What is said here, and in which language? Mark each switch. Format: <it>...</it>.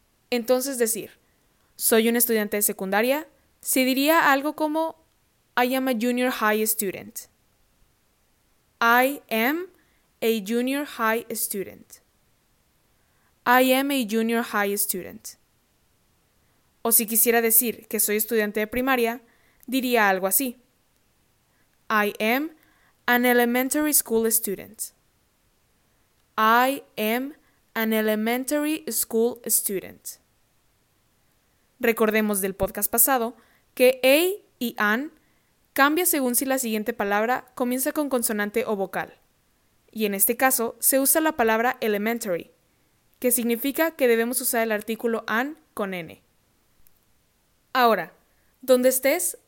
<es>Entonces decir, soy un estudiante de secundaria, se diría algo como,</es> <en>I am a junior high student. I am a junior high student. I am a junior high student. O si quisiera decir que soy estudiante de primaria, diría algo así. I am an elementary school student. I am an elementary school student.</en> <es>Recordemos del podcast pasado que A y an cambia según si la siguiente palabra comienza con consonante o vocal. Y en este caso se usa la palabra elementary, que significa que debemos usar el artículo an con n. Ahora, donde estés,</es>